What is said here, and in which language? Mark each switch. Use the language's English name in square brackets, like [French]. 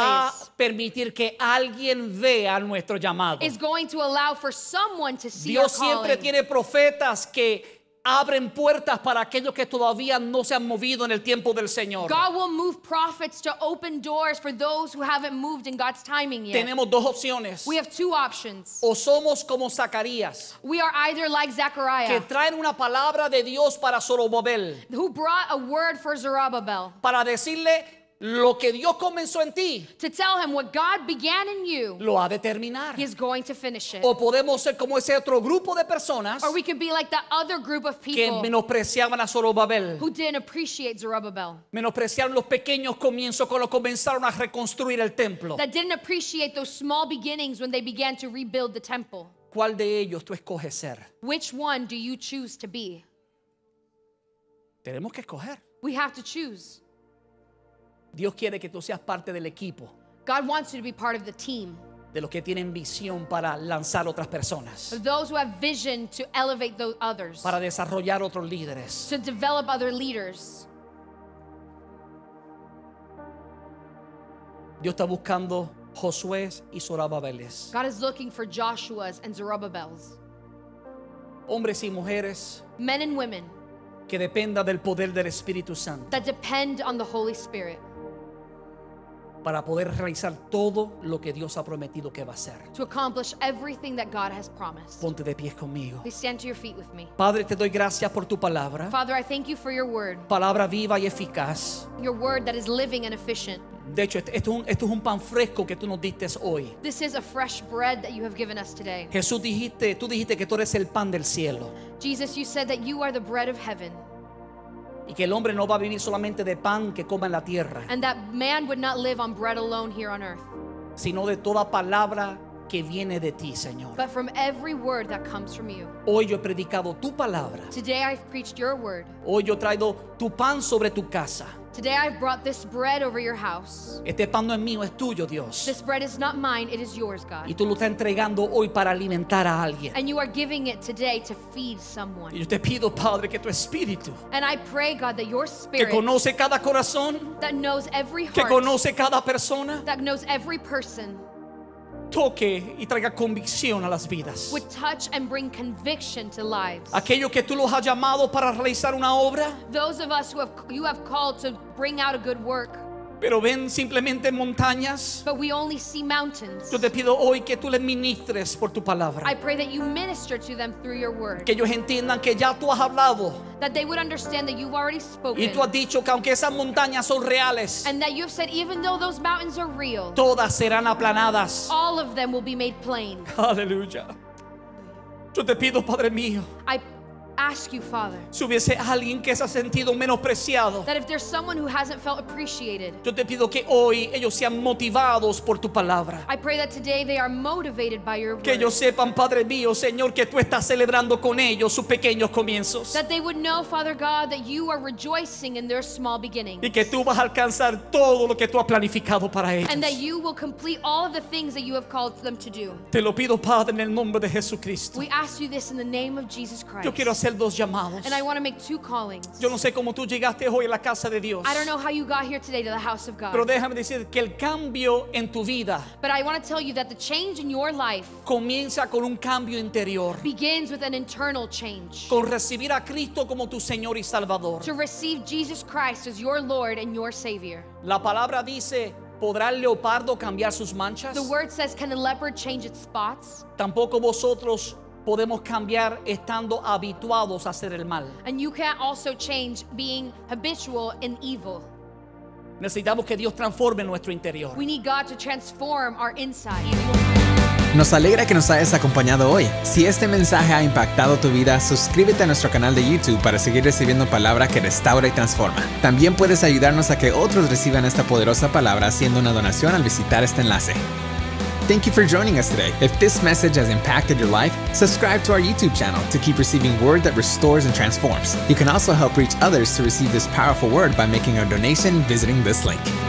[Spanish] va a permitir que alguien vea nuestro llamado. [English] Is going to allow for someone to see [Spanish] Dios [English] your calling. [Spanish] Siempre tiene profetas que abren puertas para aquellos que todavía no se han movido en el tiempo del Señor. [English] God will move prophets to open doors for those who haven't moved in God's timing yet. [Spanish] Tenemos dos opciones. [English] We have two options. [Spanish] O somos como Zacarías. [English] We are either like Zechariah. [Spanish] Que traen una palabra de Dios para Zorobabel. [English] Who brought a word for Zerubbabel. [Spanish] Para decirle lo que Dios comenzó en ti. [English] To tell him what God began in you. [Spanish] Lo ha de terminar. [English] He is going to finish it. [Spanish] O podemos ser como ese otro grupo de personas. [English] Or we could be like that other group of people. [Spanish] Que menospreciaban a Zorobabel. [English] Who didn't appreciate Zerubbabel. [Spanish] Menospreciaron los pequeños comienzos cuando comenzaron a reconstruir el templo. [English] That didn't appreciate those small beginnings when they began to rebuild the temple. [Spanish] ¿Cuál de ellos tú escoges ser? [English] Which one do you choose to be? [Spanish] Tenemos que escoger. [English] We have to choose. [Spanish] Dios quiere que tú seas parte del equipo. [English] God wants you to be part of the team. [Spanish] De los que tienen visión para lanzar otras personas. [English] For those who have vision to elevate those others. [Spanish] Para desarrollar otros líderes. [English] To develop other leaders. [Spanish] Dios está buscando Josué y Zorobabeles. [English] God is looking for Joshua's and Zerubbabel's. [Spanish] Hombres y mujeres. [English] Men and women. [Spanish] Que dependa del poder del Espíritu Santo. [English] That depend on the Holy Spirit. [Spanish] Para poder realizar todo lo que Dios ha prometido que va a hacer. [English] To accomplish everything that God has promised. [Spanish] Ponte de pies conmigo. [English] Please stand to your feet with me. [Spanish] Padre, te doy gracias por tu palabra. [English] Father, I thank you for your word. [Spanish] Palabra viva y eficaz. [English] Your word that is living and efficient. [Spanish] De hecho, esto es un pan fresco que tú nos diste hoy. [English] This is a fresh bread that you have given us today. [Spanish] Jesús, tú dijiste que tú eres el pan del cielo. [English] Jesus, you said that you are the bread of heaven. [Spanish] Y que el hombre no va a vivir solamente de pan que coma en la tierra. [English] And that man would not live on bread alone here on earth. [Spanish] Sino de toda palabra que viene de ti, Señor. [English] But from every word that comes from you. [Spanish] Hoy yo he predicado tu palabra. [English] Today I've preached your word. [Spanish] Hoy yo he traído tu pan sobre tu casa. [English] Today I've brought this bread over your house. [Spanish] Este pan no es mío, es tuyo, Dios. [English] This bread is not mine, it is yours, God. [Spanish] Y tú lo estás entregando hoy para alimentar a alguien. [English] And you are giving it today to feed someone. [Spanish] Y yo te pido, Padre, que tu espíritu, [English] and I pray, God, that your spirit, [Spanish] que conoce cada corazón, [English] that knows every heart, [Spanish] que conoce cada persona, [English] that knows every person, [Spanish] toque y traiga convicción a las vidas. [English] Would touch and bring conviction to lives. [Spanish] Aquellos que tú los has llamado para realizar una obra. [English] Those of us who have, you have called to bring out a good work. [Spanish] Pero ven simplemente montañas. [English] But we only see mountains. [Spanish] Yo te pido hoy que tú les ministres por tu palabra. [English] I pray that you minister to them through your word. [Spanish] Que ellos entiendan que ya tú has hablado. [English] That they would understand that you've already spoken. [Spanish] Y tú has dicho que aunque esas montañas son reales, [English] and that you've said even though those mountains are real, [Spanish] todas serán aplanadas. [English] All of them will be made plain. [Spanish] Aleluya. Yo te pido, Padre mío, [English] ask you, Father, [Spanish] si hubiese alguien que se ha sentido menospreciado, [English] that if there's someone who hasn't felt appreciated, [Spanish] yo te pido que hoy ellos sean motivados por tu palabra. [English] I pray that today they are motivated by your word. [Spanish] Que ellos sepan, Padre mío, Señor, que tú estás celebrando con ellos sus pequeños comienzos. [English] That they would know, Father God, that you are rejoicing in their small beginnings. [Spanish] Y que tú vas a alcanzar todo lo que tú has planificado para ellos. [English] And that you will complete all of the things that you have called them to do. [Spanish] Te lo pido, Padre, en el nombre de Jesucristo. [English] We ask you this in the name of Jesus Christ. [Spanish] Yo quiero hacer dos llamados. [English] And I want to make two callings. [Spanish] Yo no sé cómo tú llegaste hoy a la casa de Dios. [English] I don't know how you got here today to the house of God. [Spanish] Pero déjame decir que el cambio en tu vida, [English] but I want to tell you that the change in your life, [Spanish] comienza con un cambio interior, [English] begins with an internal change, [Spanish] con recibir a Cristo como tu Señor y Salvador, [English] to receive Jesus Christ as your Lord and your Savior. [Spanish] La palabra dice, ¿podrá el leopardo cambiar sus manchas? [English] The word says, can the leopard change its spots? [Spanish] Tampoco vosotros podemos cambiar estando habituados a hacer el mal. [English] And you can't also change being habitual in evil. [Spanish] Necesitamos que Dios transforme nuestro interior. [English] We need God to transform our inside. [Spanish] Nos alegra que nos hayas acompañado hoy. Si este mensaje ha impactado tu vida, suscríbete a nuestro canal de YouTube para seguir recibiendo palabra que restaura y transforma. También puedes ayudarnos a que otros reciban esta poderosa palabra haciendo una donación al visitar este enlace. [English] Thank you for joining us today. If this message has impacted your life, subscribe to our YouTube channel to keep receiving word that restores and transforms. You can also help reach others to receive this powerful word by making a donation visiting this link.